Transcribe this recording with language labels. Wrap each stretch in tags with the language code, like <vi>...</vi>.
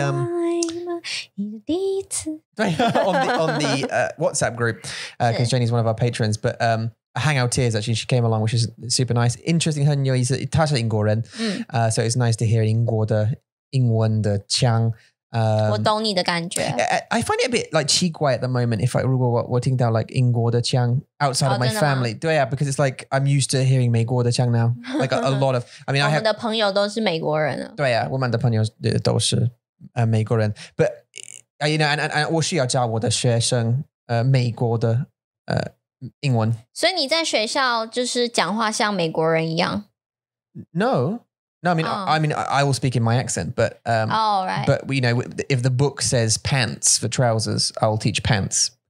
<en>on the WhatsApp group because Jenny's one of our patrons but a hangout tears actually she came along which is super nice interesting her new</en> <zh>她是英国人</zh> <en>so it's nice to hear</en> <zh>英国的英文的腔我懂你的感觉。I</zh> <en>find it a bit like</en> <zh>奇怪</zh> <en>at the moment if I</en> <zh>如果我听到</zh> <en>like</en> <zh>英国的腔</zh> <en>outside of my family.</en> <zh>对啊,</zh> <en>because it's like I'm used to hearing</en> <zh>美国的腔</zh> <en>now. Like a lot of, I mean, I have</en> <zh>我们的朋友都是美国人。对啊,我们的朋友都是美国人。</zh> <en>But, you know, and</en> <zh>我需要教我的学生 美国的 英文。所以你在学校就是讲话像美国人一样?</zh> <en>No. No, I mean, I will speak in my accent, but but you know, if the book says pants for trousers, I will teach pants.</en>